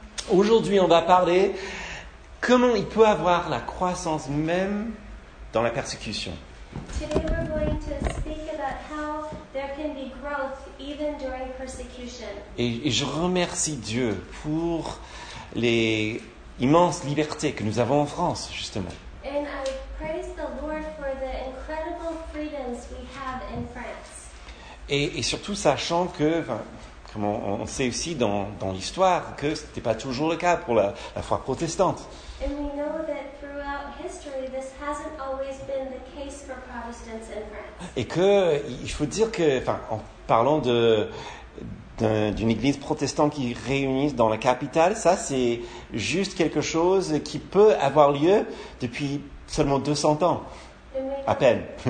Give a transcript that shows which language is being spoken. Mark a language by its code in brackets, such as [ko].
[fr] Aujourd'hui, on va parler comment il peut avoir la croissance même dans la persécution. [en] Today we're going to speak about how there can be growth even during persecution. [fr] Et je remercie Dieu pour les immenses libertés que nous avons en France, justement. [en] And I praise the Lord for the incredible freedoms we have in France. [fr] Et surtout sachant que, comme on sait aussi dans l'histoire, que ce n'était pas toujours le cas pour la foi protestante. [en] And we know that throughout history, this hasn't always been the case for Protestants in France. [fr] Et que il faut dire que, en parlant d'une église protestante qui réunit dans la capitale, ça c'est juste quelque chose qui peut avoir lieu depuis seulement 200 ans, à peine.